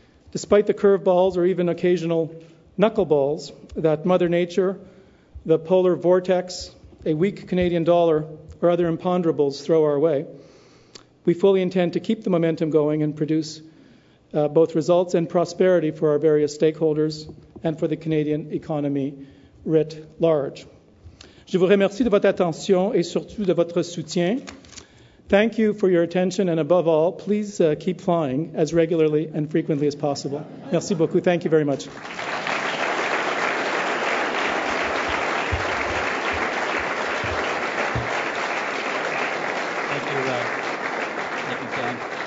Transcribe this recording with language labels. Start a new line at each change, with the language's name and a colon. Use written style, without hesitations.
English: Despite the curveballs or even occasional knuckleballs that Mother Nature, the polar vortex, a weak Canadian dollar, or other imponderables throw our way, we fully intend to keep the momentum going and produce both results and prosperity for our various stakeholders and for the Canadian economy writ large.
French: Je vous remercie de votre attention et surtout de votre soutien.
English: Thank you for your attention, and above all, please keep flying as regularly and frequently as possible.
French: Merci beaucoup.
English: Thank you very much. Thank you, Dan.